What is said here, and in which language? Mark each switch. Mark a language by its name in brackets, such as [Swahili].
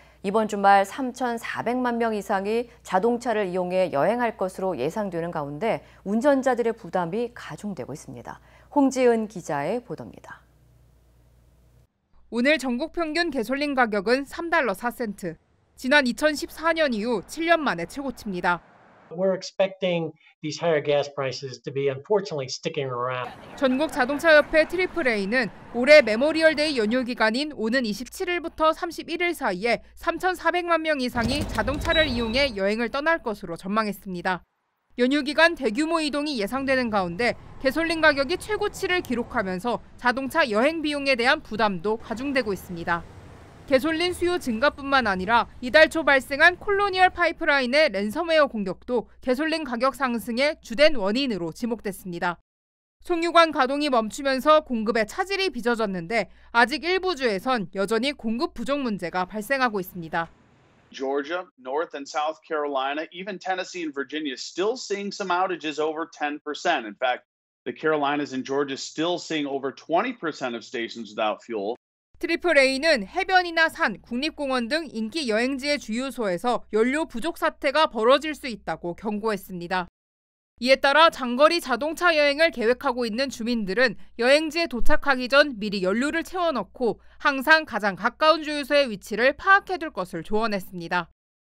[Korean] 이번 주말 3,400만 명 이상이 자동차를 이용해 여행할 것으로 예상되는 가운데 운전자들의 부담이 가중되고 있습니다. 홍지은 기자의 보도입니다. 오늘 전국 평균 가솔린 가격은 $3.04. 지난 2014년 이후 7년 만에 최고치입니다. [English] We're expecting these higher gas prices to be unfortunately sticking around. [Korean] 전국 자동차협회 AAA는 올해 메모리얼데이 연휴 기간인 오는 27일부터 31일 사이에 3,400만 명 이상이 자동차를 이용해 여행을 떠날 것으로 전망했습니다. 연휴 기간 대규모 이동이 예상되는 가운데 가솔린 가격이 최고치를 기록하면서 자동차 여행 비용에 대한 부담도 가중되고 있습니다. 가솔린 수요 증가뿐만 아니라 이달 초 발생한 콜로니얼 파이프라인의 랜섬웨어 공격도 가솔린 가격 상승의 주된 원인으로 지목됐습니다. 송유관 가동이 멈추면서 공급에 차질이 빚어졌는데 아직 일부 주에선 여전히 공급 부족 문제가 발생하고 있습니다. [English] Georgia, North and South Carolina, even Tennessee and Virginia still seeing some outages over 10%. In fact, the Carolinas and Georgia still seeing over 20% of stations without fuel. [Korean] AAA는 해변이나 산, 국립공원 등 인기 여행지의 주유소에서 연료 부족 사태가 벌어질 수 있다고 경고했습니다. 이에 따라 장거리 자동차 여행을 계획하고 있는 주민들은 여행지에 도착하기 전 미리 연료를 채워넣고 항상 가장 가까운 주유소의 위치를 파악해둘 것을 조언했습니다.